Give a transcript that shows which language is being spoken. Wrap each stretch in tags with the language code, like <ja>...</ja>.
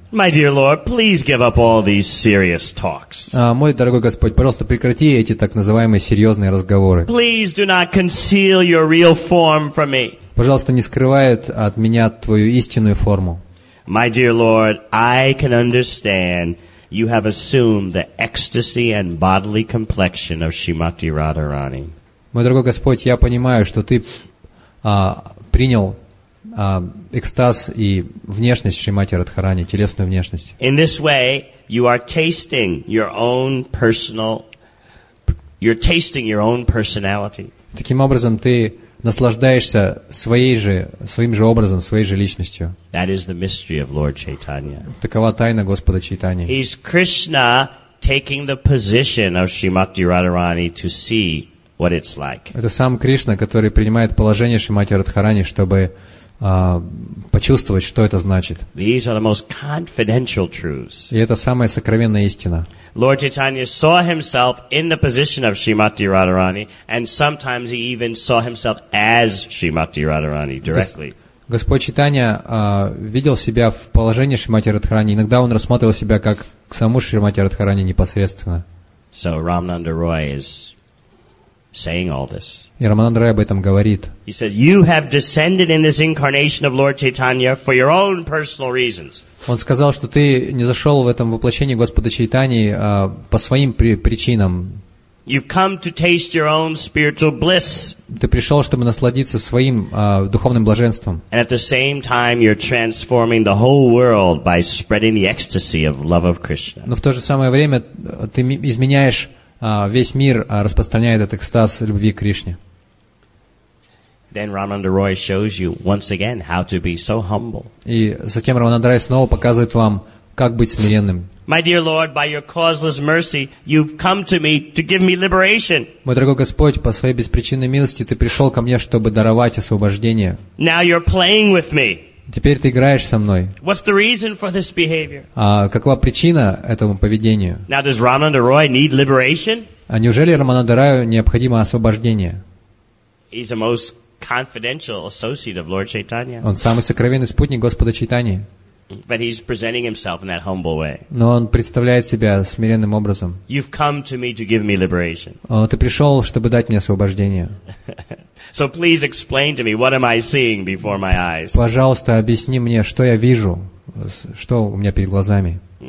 <en>My dear Lord, please give up all these serious talks.</en> <ru>Мой дорогой Господь, пожалуйста, прекрати эти так называемые серьезные разговоры.</ru> <en>Please do not conceal your real form from me.</en> <ru>Пожалуйста, не скрывай от меня твою истинную форму.</ru> <en>My dear Lord, I can understand you have assumed the ecstasy and bodily complexion of Srimati Radharani.</en> <ru>Мой дорогой Господь, я понимаю, что ты принял экстаз и внешность Шримати Радхарани, телесную внешность.</ru> <en>In this way, you are tasting your own personal, you're tasting your own personality.</en> <ru>Таким образом, ты наслаждаешься своим же образом, своей же личностью.</ru> <en>That is the mystery of Lord Chaitanya.</en> <ru>Такова тайна Господа Чайтаньи.</ru> <en>He's Krishna taking the position of Srimati Radharani to see what it's like.</en> <ru>Это сам Кришна, который принимает положение Шримати Радхарани, чтобы почувствовать, что это значит.</ru> <en>These are the most confidential truths.</en> <ru>И это самая сокровенная истина.</ru> <en>Lord Chaitanya saw himself in the position of Srimati Radharani, and sometimes he even saw himself as Srimati Radharani directly.</en> <ru>Господь Чайтанья видел себя в положении Шримати Радхарани. Иногда он рассматривал себя как саму Шримати Радхарани непосредственно.</ru> <en>So Рамананда Рой is saying all this.</en> <ru>И Рамананда Рой об этом говорит.</ru> <en>He said, "You have descended in this incarnation of Lord Chaitanya for your own personal reasons."</en> <ru>Он сказал, что ты не зашел в этом воплощении Господа Чайтаньи по своим причинам.</ru> <en>You've come to taste your own spiritual bliss.</en> <ru>Ты пришел, чтобы насладиться своим духовным блаженством.</ru> <en>And at the same time, you're transforming the whole world by spreading the ecstasy of love of Krishna.</en> <ru>Но в то же самое время ты изменяешь весь мир распространяет этот экстаз любви к Кришне.</ru> <en>Then Рамананда Рой shows you once again how to be so humble.</en> <ru>И затем Рамананда Рой снова показывает вам, как быть смиренным.</ru> <en>My dear Lord, by your causeless mercy, you've come to me to give me liberation.</en> <ru>Мой дорогой Господь, по своей беспричинной милости ты пришел ко мне, чтобы даровать освобождение.</ru> <en>Now you're playing with me.</en> <ru>Теперь ты играешь со мной.</ru> <en>What's the reason for this behavior?</en> <ru>Какова причина этому поведению?</ru> <en>Now does Rāmananda Rāy need liberation?</en> <ru>Неужели Рамананда Раю необходимо освобождение?</ru> <en>He's the most confidential associate of Lord Chaitanya.</en> <ru>Он самый сокровенный спутник Господа Чайтаньи.</ru> <en>But he's presenting himself in that humble way.</en> <ru>Но он представляет себя смиренным образом.</ru> <en>You've come to me to give me liberation.</en> <ru>Ты пришел, чтобы дать мне освобождение.</ru> <en>So please explain to me, what am I seeing before my eyes?</en> <ru>Пожалуйста, объясни мне, что я вижу, что у меня перед глазами.</ru>